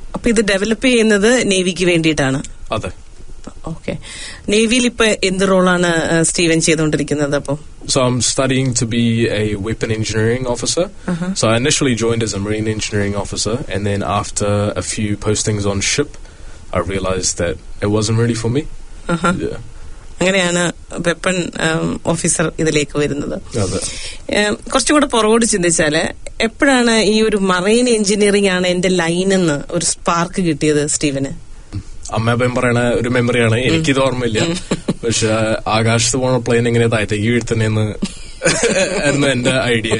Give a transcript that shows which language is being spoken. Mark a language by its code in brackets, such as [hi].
[ml] അപ്പൊ ഇത് ഡെവലപ്പ് ചെയ്യുന്നത് നേവിക്ക് വേണ്ടിയിട്ടാണ്? അതെ. ഓക്കെ, നേവിയിൽ ഇപ്പൊ എന്ത് റോളാണ് സ്റ്റീവൻ ചെയ്തുകൊണ്ടിരിക്കുന്നത് അപ്പോ? [en] So I'm studying to be a weapon engineering officer. So I initially joined as a marine engineering officer, and then after a few postings on ship, I realized that it wasn't really for me. [ml] അങ്ങനെയാണ് weapon officer ഇതിലേക്ക് വരുന്നത്. കുറച്ചുകൂടെ പുറകോട്ട് ചിന്തിച്ചാല് എപ്പോഴാണ് ഈ ഒരു marine engineering ആണ് എന്റെ ലൈൻ എന്ന് ഒരു സ്പാർക്ക് കിട്ടിയത് സ്റ്റീവന്? അമ്മ പറയണ ഒരു മെമ്മറിയാണ്, എനിക്കിത് ഓർമ്മയില്ല. പക്ഷെ ആകാശത്ത് പോണ പ്ലെയിൻ എങ്ങനെ താഴ്ത്തേക്ക് വീഴ്ത്തണെന്ന് ആയിരുന്നു എന്റെ ഐഡിയ